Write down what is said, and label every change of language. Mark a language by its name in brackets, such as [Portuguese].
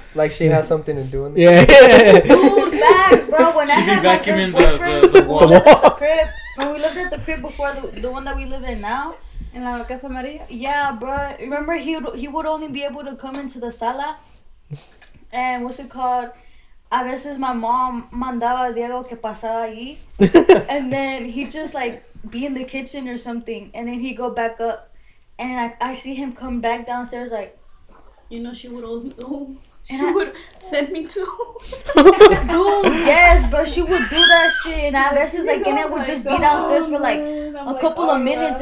[English] Like she has something to do in there. Yeah. Dude, facts, bro. When she I had my first boyfriend, the wall. The crib. When we lived at the crib before, the one that we live in now. In La Casa Maria? Yeah, bro. Remember, he would only be able to come into the sala. And what's it called? [Spanish] A veces [English] my mom [Spanish] mandaba a Diego que pasaba ahí. [English] And then he'd just, like, be in the kitchen or something. And then he'd go back up. And I see him come back downstairs, like... You know, she would only... She would send me to... Dude, yes, bro. She would do that shit. And I versus, like, and I would just be downstairs for, like, a couple of minutes.